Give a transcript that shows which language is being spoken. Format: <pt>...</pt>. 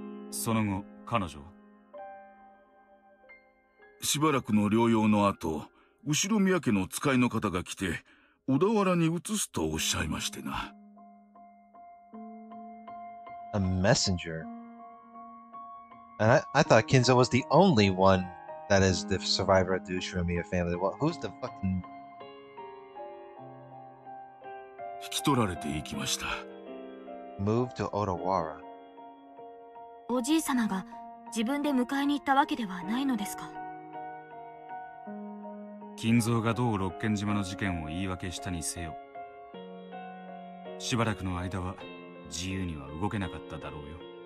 <ja>その後彼女は、しばらくの療養の後、後ろ宮家の使いの方が来て小田原に移すとおっしゃいましてな。</ja> <en>A messenger. And I thought Kinzo was the only one that is the survivor of the Ushiromiya family. Well, who's the fucking...</en> <ja>引き取られていきました。</ja> <en>Move to Odawara.</en> <ja>おじい様が自分で迎えに行ったわけではないのですか。金蔵がどう六軒島の事件を言い訳したにせよ、しばらくの間は自由には動けなかっただろうよ。</ja>